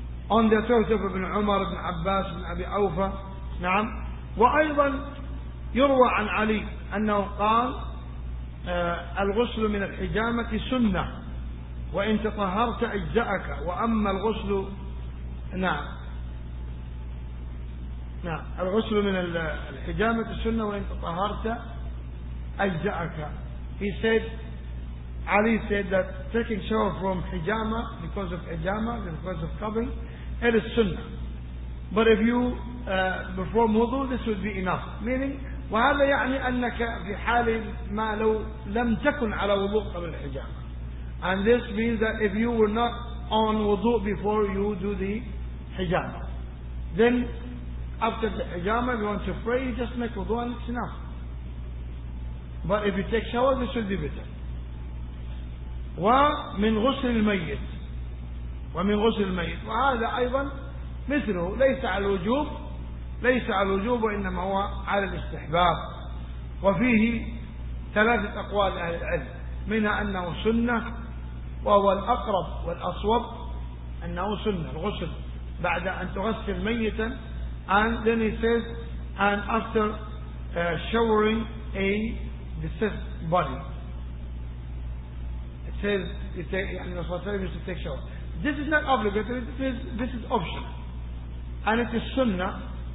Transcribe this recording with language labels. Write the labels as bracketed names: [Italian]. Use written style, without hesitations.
[English] On the authority of Ibn Umar, Ibn Abbas, Ibn Abi Awfa, [Arabic] نعم, وأيضا يروى عن علي أنه قال الغسل من الحجامة سنة وإن تطهرت أجزأك, وأما الغسل, نعم, نعم, الغسل من الحجامة سنة وإن تطهرت أجزأك. [English] He said, Ali said that taking shower from hijama, because of hijama, because of covering, it is sunnah. But if you perform wudu, this would be enough. [Arabic] Meaning, وهذا يعني أنك في حال ما لو لم تكن على وضوء قبل الحجامة. [English] And this means that if you were not on wudu before you do the hijama, then after the hijama, if you want to pray, you just make wudu and it's enough. But if you take shower, this will be better. [Arabic] ومن غسل الميت, ومن غسل الميت, وهذا أيضا مثله ليس على الوجوب, ليس على الوجوب وإنما هو على الاستحباب. وفيه ثلاثة أقوال أهل العلم، منها أنه سنة وهو الأقرب والأصوب أنه سنة، الغسل بعد أن تغسل ميتا. [English] And then he says, and after showering a deceased body, it says, and the Prophet used to take shower. This is not obligatory, this is optional. And it is sunnah.